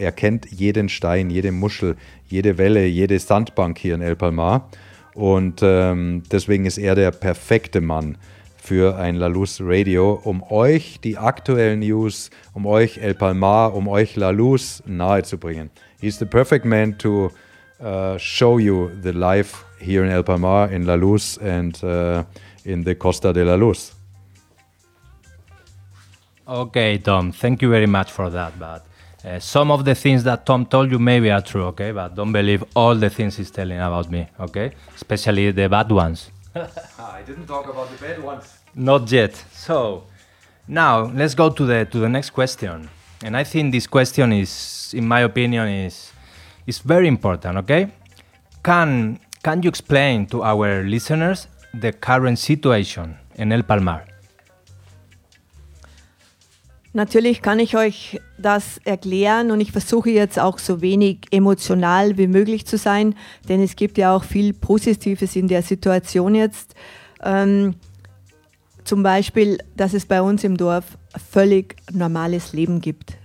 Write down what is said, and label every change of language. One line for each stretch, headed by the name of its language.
German: Er kennt jeden Stein, jede Muschel, jede Welle, jede Sandbank hier in El Palmar. Und deswegen ist er der perfekte Mann für ein Lalus Radio, um euch die aktuellen News, um euch El Palmar, um euch Lalus nahezubringen.
English: He's the perfect man to show you the life here in El Palmar, in Lalus and in the Costa de Lalus. Okay, Tom, thank you very much for that. But some of the things that Tom told you maybe are true, okay? But don't believe all the things he's telling about me, okay? Especially the bad ones. I didn't talk about the bad ones. Not yet. So, now let's go to the next question. And I think this question is, in my opinion, is very important, okay? Can you explain to our listeners the current situation in El Palmar?
German: Natürlich kann ich euch das erklären und ich versuche jetzt auch so wenig emotional wie möglich zu sein, denn es gibt ja auch viel Positives in der Situation jetzt. Zum Beispiel, dass es bei uns im Dorf völlig normales Leben gibt.